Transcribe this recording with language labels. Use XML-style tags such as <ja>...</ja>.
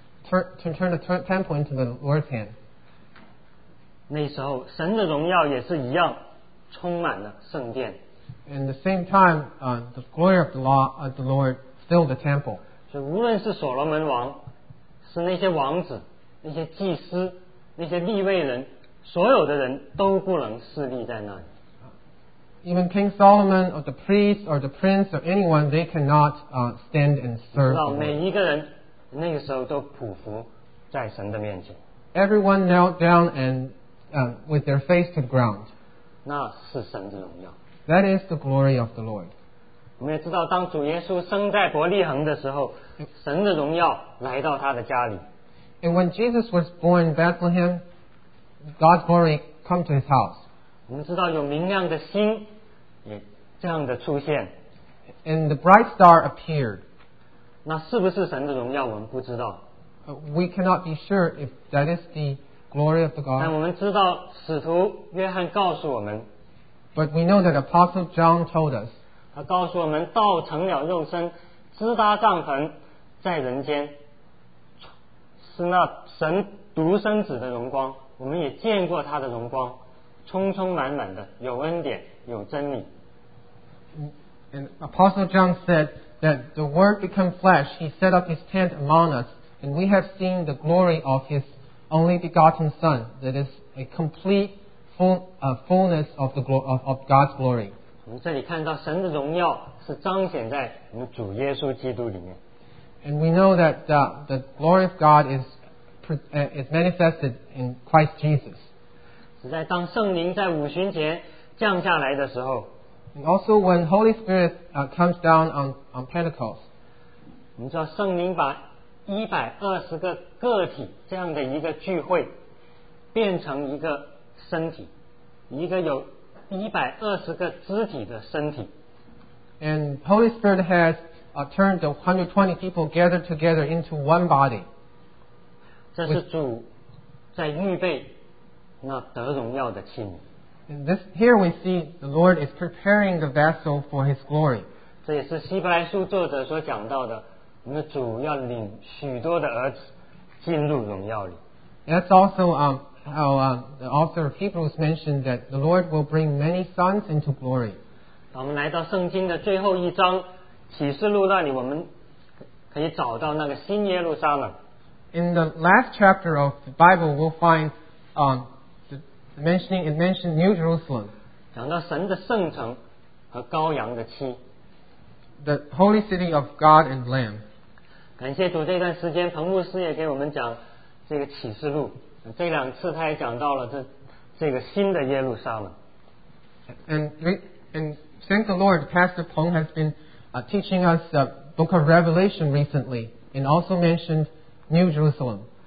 <en>To turn the temple into the Lord's hand.</en> <zh>那时候，神的荣耀也是一样，充满了圣殿。</zh> <en>And the same time, the glory of the Lord filled the temple.</en> <zh>所以，无论是所罗门王，是那些王子、那些祭司、那些立位人，所有的人都不能侍立在那里。</zh> <en>Even King Solomon or the priest or the prince or anyone, they cannot stand and serve.</en> <zh>每一个人那个时候都匍匐在神的面前。</zh> <en>everyone knelt down and with their face to the ground.</en> <zh>那是神的荣耀。</zh> <en>That is the glory of the Lord.</en> <zh>我们也知道，当主耶稣生在伯利恒的时候，神的荣耀来到他的家里。</zh> <en>And when Jesus was born in Bethlehem, God's glory came to his house.</en> <zh>我们知道有明亮的星也这样的出现。</zh> <en>And the bright star appeared.</en> <zh>那是不是神的荣耀？我们不知道。</zh> <en>We cannot be sure if that is the glory of the God.</en> <zh>但我们知道使徒约翰告诉我们。</zh> <en>But we know that Apostle John told us.</en> <zh>他告诉我们道成了肉身，支搭帐篷在人间，是那神独生子的荣光。我们也见过他的荣光，充充满满的，有恩典，有真理。</zh> <en>And Apostle John said that the Word became flesh. He set up his tent among us. And we have seen the glory of his only begotten Son, that is a complete fullness of the of God's glory.</en> <zh>我们这里看到神的荣耀是彰显在我们主耶稣基督里面。</zh> <en>And we know that the glory of God is manifested in Christ Jesus.</en> <zh>是在当圣灵在五旬节降下来的时候。</zh> <en>And also when Holy Spirit comes down on Pentecost.</en> <zh>我们知道圣灵把120个个体这样的一个聚会变成一个身体，一个有120个肢体的身体。</zh> <en>And Holy Spirit has turned the 120 people gathered together into one body.</en> <zh>这是主在预备那得荣耀的器皿。</zh> <en>And this, here we see the Lord is preparing the vessel for His glory.</en> <zh>这也是希伯来书作者所讲到的，我们的主要领许多的儿子进入荣耀里。</zh> <en>That's also how the author of Hebrews mentioned that the Lord will bring many sons into glory.</en> <zh>我们来到圣经的最后一章启示录，那里我们可以找到那个新耶路撒冷。</zh> <en>In the last chapter of the Bible, we'll find it mentioned New Jerusalem.</en> <zh>讲到神的圣城和羔羊的妻。</zh> <en>The holy city of God and Lamb.</en> <zh>感谢主，这段时间彭牧师也给我们讲这个启示录，这两次他也讲到了这个新的耶路撒冷。</zh> <en>And thank the Lord, Pastor Peng has been teaching us the book of Revelation recently, and also mentioned New Jerusalem.</en>